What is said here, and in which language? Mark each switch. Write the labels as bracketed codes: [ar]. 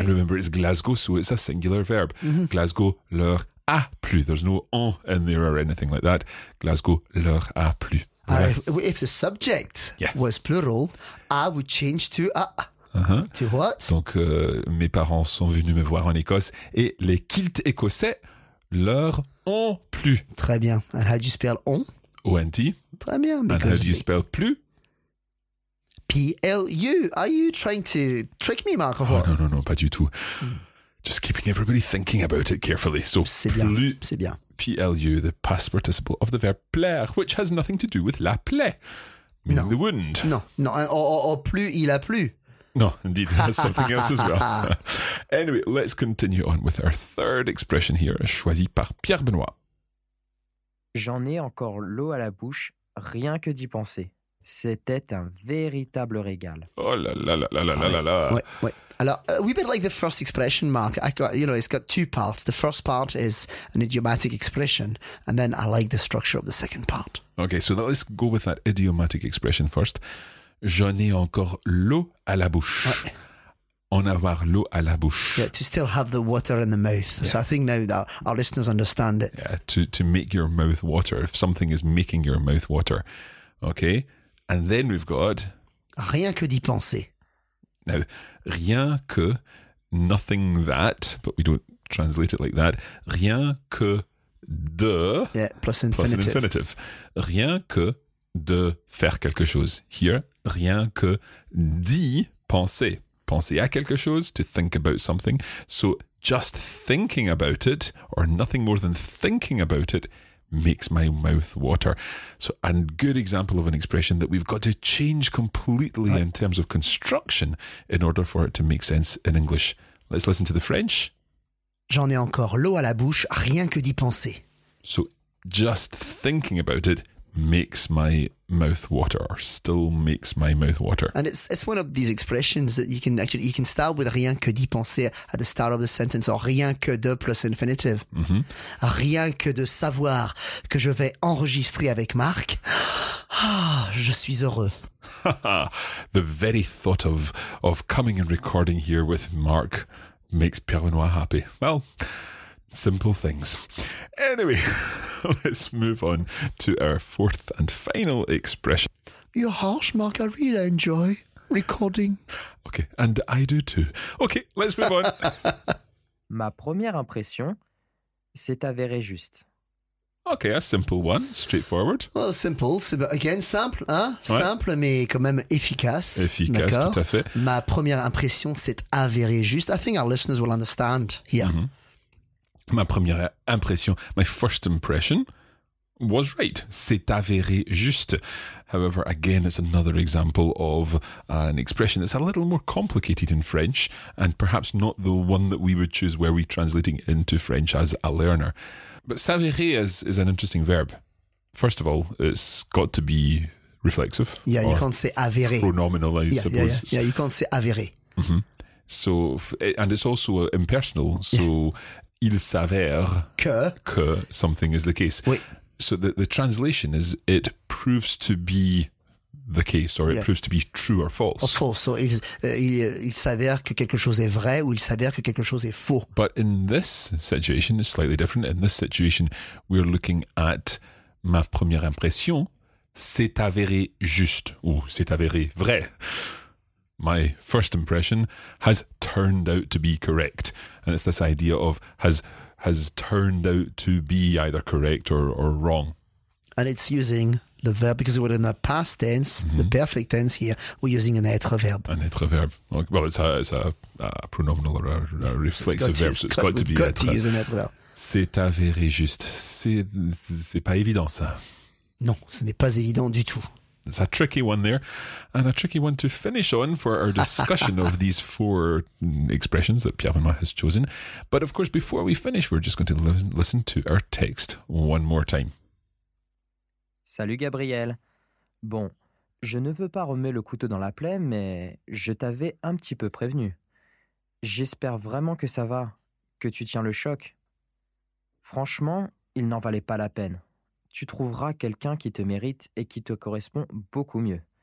[en] And remember, it's Glasgow, so it's a singular verb. Mm-hmm. [fr] Glasgow, leur a plu. [en] There's no en in there or anything like that. [fr] Glasgow, leur a plu. [en] If the subject was plural, I would change to a. Uh-huh. To what? [fr] Donc, mes parents sont venus me voir en Écosse et les kilts écossais leur ont plu. Très bien. [en] And how do you spell on? O-N-T. [fr] Très bien. [en] And how do you spell plu? P-L-U. Are you trying to trick me, Marco? Oh, no, [fr] pas du tout. [en] Just keeping everybody thinking about it carefully. So, [fr] c'est bien. Plu, c'est bien. [en] P-L-U, the past participle of the verb plaire, which has nothing to do with [fr] la plaie, [en] meaning the wound. [fr] Or plus il a plu. [en] No, indeed, that's something else as well. Anyway, let's continue on with our third expression here, [fr] choisi par Pierre Benoît. J'en ai encore l'eau à la bouche, rien que d'y penser. C'était un véritable régal. Oh là là là là là là là. Ouais. Alors, [en] we bit like the first expression, Mark. It's got two parts. The first part is an idiomatic expression, and then I like the structure of the second part. Okay, so let's go with that idiomatic expression first. [fr] J'en ai encore l'eau à la bouche. Ouais. En avoir l'eau à la bouche. [en] Yeah, to still have the water in the mouth. Yeah. So I think now that our listeners understand it. Yeah, to make your mouth water. If something is making your mouth water. Okay, and then we've got... [fr] Rien que d'y penser. [en] Now, [fr] rien que, [en] nothing that, but we don't translate it like that. [fr] Rien que de... [en] Yeah, plus infinitive. Plus an infinitive. [fr] Rien que de faire quelque chose. Here, rien que d'y penser. Penser à quelque chose, [en] to think about something. So just thinking about it, or nothing more than thinking about it, makes my mouth water. So a good example of an expression that we've got to change completely in terms of construction in order for it to make sense in English. Let's listen to the French. [fr] J'en ai encore l'eau à la bouche, rien que d'y penser. [en] So just thinking about it makes my mouth water, or still makes my mouth water. And it's one of these expressions that you can start with [fr] rien que d'y penser [en] at the start of the sentence, or [fr] rien que de [en] plus infinitive. Mm-hmm. [fr] Rien que de savoir que je vais enregistrer avec Marc, je suis heureux. [en] The very thought of coming and recording here with Marc makes Pierre Benoît happy. Well, simple things. Anyway, let's move on to our fourth and final expression. You're harsh, Mark. I really enjoy recording. Okay, and I do too. Okay, let's move on. [fr] Ma première impression s'est avérée juste. [en] Okay, a simple one, straightforward. Well, simple, again, simple, [fr] hein? Ouais. Simple, mais quand même efficace. Efficace, d'accord. Tout à fait. Ma première impression s'est avérée juste. [en] I think our listeners will understand here. Mm-hmm. [fr] Ma première impression, [en] my first impression, was right. [fr] C'est avéré juste. [en] However, again, it's another example of an expression that's a little more complicated in French and perhaps not the one that we would choose were we translating into French as a learner. But s'avérer is an interesting verb. First of all, it's got to be reflexive. Yeah, you can't say avéré. Pronominal, I suppose. Yeah, you can't say avéré. Mm-hmm. So, and it's also impersonal, so... [fr] Yeah. Il s'avère que [en] something is the case. [fr] Oui. [en] So the translation is it proves to be the case or it proves to be true or false. Or false. [fr] So il s'avère que quelque chose est vrai ou il s'avère que quelque chose est faux. [en] But in this situation, it's slightly different. In this situation, we're looking at [fr] ma première impression s'est avérée juste ou s'est avérée vrai. [en] My first impression has turned out to be correct. And it's this idea of has turned out to be either correct or wrong. And it's using the verb, because we're in the past tense, mm-hmm. the perfect tense here, we're using an être verbe. An être verbe. Well, it's a pronominal or a reflexive it's verb, to, so it's got to be got être. To use an être verbe. [fr] C'est avéré juste. C'est pas évident, ça. Non, ce n'est pas évident du tout. [en] It's a tricky one there, and a tricky one to finish on for our discussion of these four expressions that Pierre Vinois has chosen. But of course, before we finish, we're just going to listen to our text one more time. [fr] Salut Gabriel. Bon, je ne veux pas remettre le couteau dans la plaie, mais je t'avais un petit peu prévenu. J'espère vraiment que ça va, que tu tiens le choc. Franchement, il n'en valait pas la peine. Tu trouveras quelqu'un qui te mérite et qui te correspond beaucoup mieux.